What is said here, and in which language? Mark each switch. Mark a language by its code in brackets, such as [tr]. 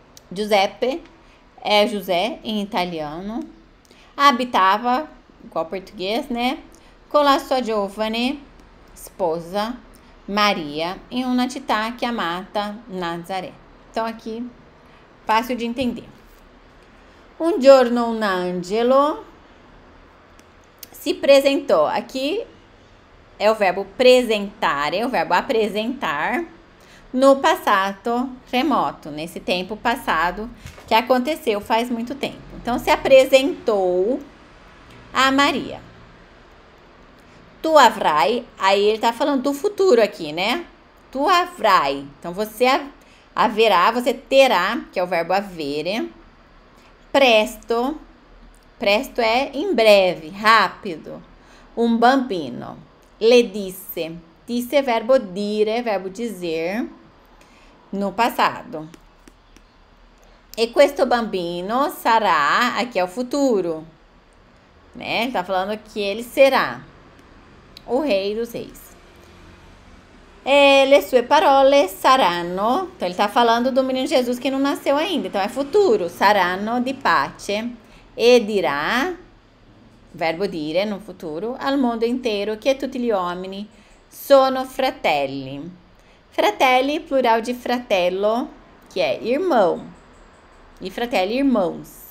[pt] Giuseppe é José em italiano. [it] Abitava, [pt] igual português, né, [it] con la sua giovane sposa Maria em um natitá que amata Nazaré. [pt] Então aqui fácil de entender. [it] Un giorno un angelo si presentò. [pt] Aqui é o verbo presentare, o verbo apresentar no passato remoto, nesse tempo passado que aconteceu faz muito tempo. Então se apresentou a Maria. [it] Tu avrai, [pt] aí ele tá falando do futuro aqui, né? Tu avrai. Então você haverá, você terá, que é o verbo avere. Presto. Presto é em breve, rápido. Um bambino. [it] Le disse. [pt] Disse é verbo dire, verbo dizer no passado. [it] E questo bambino sarà, [pt] aqui é o futuro, né? Ele tá falando que ele será o rei dos reis. [it] E le sue parole saranno. [pt] Então, ele está falando do menino Jesus que não nasceu ainda. Então, é futuro. [it] Saranno di pace. E dirà, [pt] verbo dire no futuro, [it] al mondo inteiro che tutti gli uomini sono fratelli. Fratelli, plural di fratello, che è irmão. [pt] E fratelli, irmãos.